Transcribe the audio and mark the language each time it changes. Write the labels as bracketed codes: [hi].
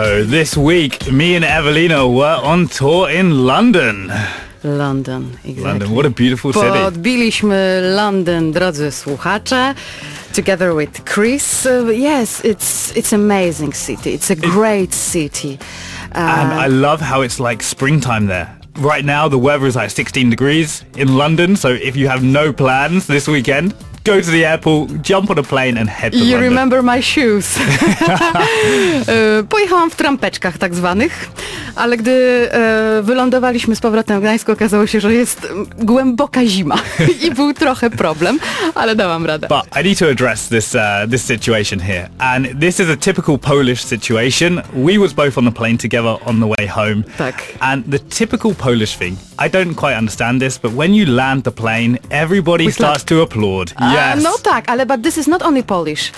[en] this week me and Evelino were on tour in London. London, exactly. London, what a beautiful city. [pl] Podbiliśmy London, drodzy słuchacze, [en] together with [pl] Chris. [en] Yes, it's amazing city. It's a great city. And I love how it's like springtime there. Right now the weather is like 16 degrees in London, so if you have no plans this weekend, go to the airport, jump on a plane and head to London. You remember my shoes. [pl] Pojechałam w trampeczkach tak zwanych, ale gdy wylądowaliśmy z powrotem w Gdańsku, okazało się, że jest głęboka zima i był trochę problem, ale dałam radę. [en] But I need to address this this situation here. And this is a typical Polish situation. We was both on the plane together on the way home. [pl] Tak. [en] And the typical Polish thing, I don't quite understand this, but when you land the plane, everybody with starts luck. To applaud. Yes. [pl] No tak, ale [en] but this is not only Polish.